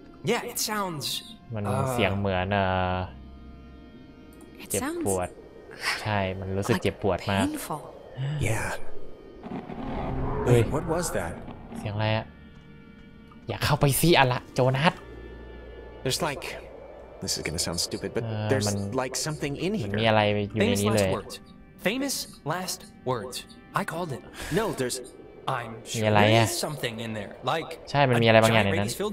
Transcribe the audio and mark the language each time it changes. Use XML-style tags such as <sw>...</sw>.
<en>Yeah it sounds</en> <th>มันเสียงเหมือนเจ็บปวดใช่มันรู้สึกเจ็บปวดมาก</th> <en>Yeah Wait what was that</en> <th>เสียงอะไรอ่ะอย่าเข้าไปสิอะล่ะโจนัส</th> <en>There's like this is gonna sound stupid but there's like something in here</en> <th>มีอะไรอยู่ในนี้เลย</th> <en>Famous last words I called it No there's</en> <th>มีอะไรอ่ะใช่มันมีอะไรบางอย่างในนั้น</th>